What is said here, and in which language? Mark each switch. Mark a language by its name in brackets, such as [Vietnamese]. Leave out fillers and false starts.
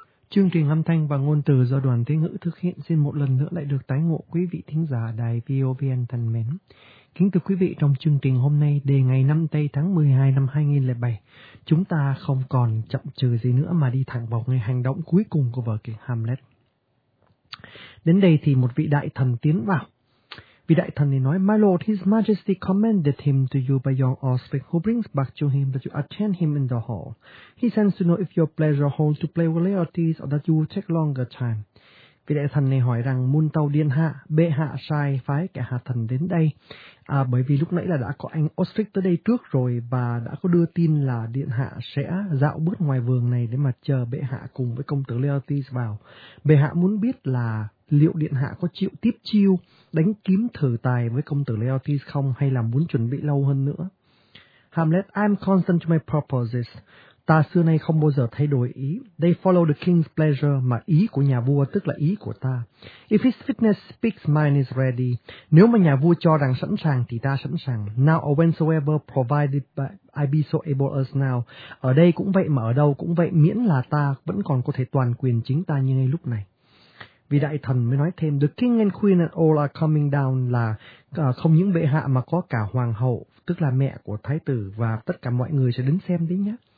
[Vietnamese] Chương trình âm thanh và ngôn từ do Đoàn Thế Ngữ thực hiện xin một lần nữa lại được tái ngộ quý vị thính giả đài VOVN thân mến. Kính thưa quý vị, trong chương trình hôm nay đề ngày 5 Tây tháng 12 năm 2007, chúng ta không còn chậm chừ gì nữa mà đi thẳng vào ngày hành động cuối cùng của vở kịch Hamlet. Đến đây thì một vị đại thần tiến vào. Vị đại thần thì nói, [English] My Lord, His Majesty commended him to you by your aspect, who brings back to him that you attend him in the hall. He sends to know if your pleasure hold to play with Laertes or that you will take longer time. [Vietnamese] Vị đại thần này hỏi rằng, Môn tàu điện hạ, bệ hạ sai phái kẻ hạ thần đến đây. Bởi vì lúc nãy là đã có anh Osric tới đây trước rồi và đã có đưa tin là điện hạ sẽ dạo bước ngoài vườn này để mà chờ bệ hạ cùng với công tử Laertes vào. Bệ hạ muốn biết là liệu điện hạ có chịu tiếp chiêu đánh kiếm thử tài với công tử Laertes không hay là muốn chuẩn bị lâu hơn nữa. [English] Hamlet, I'm constant to my purposes. [Vietnamese] Ta xưa nay không bao giờ thay đổi ý. [English] They follow the king's pleasure, [Vietnamese] mà ý của nhà vua tức là ý của ta. [English] If his fitness speaks, mine is ready. [Vietnamese] Nếu mà nhà vua cho rằng sẵn sàng thì ta sẵn sàng. [English] Now or whensoever, provided I be so able as now. [Vietnamese] Ở đây cũng vậy mà ở đâu cũng vậy, miễn là ta vẫn còn có thể toàn quyền chính ta như ngay lúc này. Vì đại thần mới nói thêm, [English] the king and queen and all are coming down, [Vietnamese] là không những bệ hạ mà có cả hoàng hậu, tức là mẹ của thái tử, và tất cả mọi người sẽ đến xem đấy nhé.